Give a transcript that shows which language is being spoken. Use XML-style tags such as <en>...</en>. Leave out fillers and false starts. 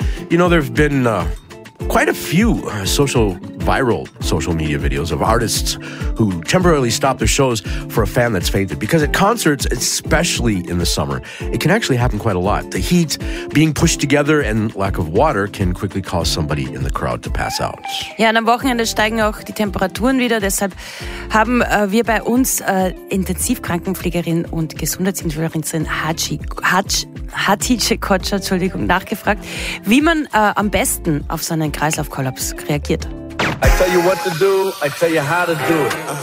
<en>You know, there have been quite a few viral social media videos of artists who temporarily stop their shows for a fan that's fainted. Because at concerts, especially in the summer, it can actually happen quite a lot. The heat, being pushed together, and lack of water can quickly cause somebody in the crowd to pass out.</en> <de>Ja, und am Wochenende steigen auch die Temperaturen wieder. Deshalb haben wir bei uns Intensivkrankenpflegerin und Gesundheitsingenieurin Hatice Kocher, Entschuldigung, nachgefragt, wie man am besten auf so einen Kreislaufkollaps reagiert.</de> <en>I tell you what to do, I tell you how to do it.</en>